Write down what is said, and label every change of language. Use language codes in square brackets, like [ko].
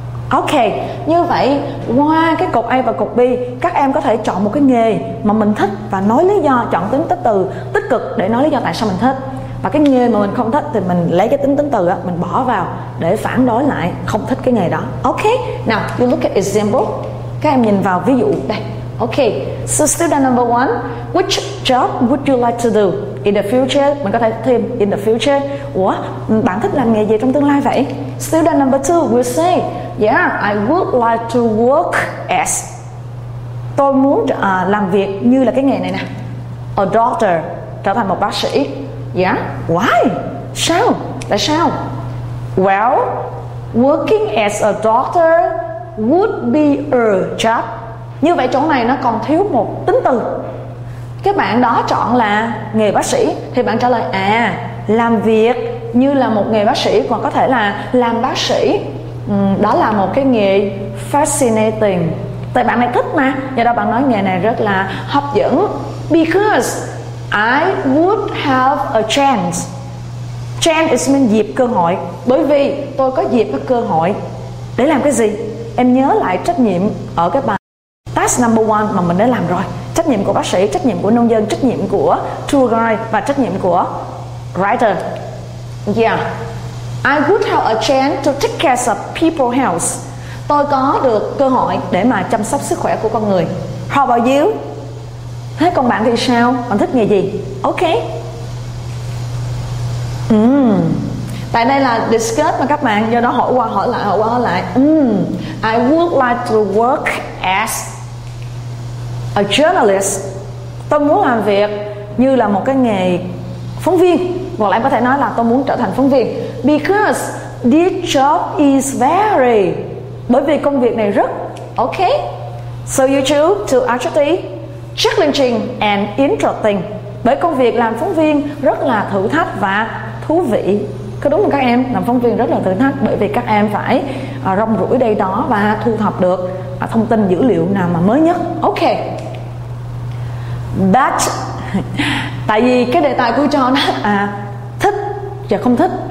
[vi] Ok, như vậy qua cái cột A và cột B, các em có thể chọn một cái nghề mà mình thích và nói lý do, chọn tính tích từ tích cực để nói lý do tại sao mình thích. Và cái nghề mà mình không thích thì mình lấy cái tính tính từ á, mình bỏ vào để phản đối lại không thích cái nghề đó. [en] Ok, now you look at example. [vi] Các em nhìn vào ví dụ đây. [en] Ok, so student number one, which job would you like to do in the future? [vi] Mình có thể thêm [en] in the future. [vi] Ủa, bạn thích làm nghề gì trong tương lai vậy? [en] Student number two will say, yeah, I would like to work as. [vi] Tôi muốn làm việc như là cái nghề này nè. [en] A doctor, [vi] trở thành một bác sĩ. [en] Yeah, why? [vi] Sao? Tại sao? [en] Well, working as a doctor would be a job. [vi] Như vậy chỗ này nó còn thiếu một tính từ. Cái bạn đó chọn là nghề bác sĩ thì bạn trả lời, à, làm việc như là một nghề bác sĩ, còn có thể là làm bác sĩ, đó là một cái nghề fascinating. Tại bạn này thích mà, do đó bạn nói nghề này rất là hấp dẫn. [en] Because I would have a chance. Chance is mean [vi] dịp, cơ hội. Bởi vì tôi có dịp, có cơ hội. Để làm cái gì? Em nhớ lại trách nhiệm ở cái bài task number one mà mình đã làm rồi. Trách nhiệm của bác sĩ, trách nhiệm của nông dân, trách nhiệm của tour guide và trách nhiệm của writer. [en] Yeah, I would have a chance to take care of people's health. [vi] Tôi có được cơ hội để mà chăm sóc sức khỏe của con người. [en] How about you? [vi] Thế còn bạn thì sao? Bạn thích nghề gì? Ok. Tại đây là discuss mà các bạn, do đó hỏi qua hỏi lại, hỏi qua hỏi lại. [en] I would like to work as a journalist. [vi] Tôi muốn làm việc như là một cái nghề phóng viên. Hoặc là em có thể nói là tôi muốn trở thành phóng viên. [en] Because this job is very. [vi] Bởi vì công việc này rất. Ok. [en] So you choose to actually challenging and interesting. [vi] Bởi công việc làm phóng viên rất là thử thách và thú vị. Có đúng không các em? Làm phóng viên rất là thử thách, bởi vì các em phải rong ruổi đây đó và thu thập được thông tin dữ liệu nào mà mới nhất. Ok. But tại vì cái đề tài của cho nó thích và không thích.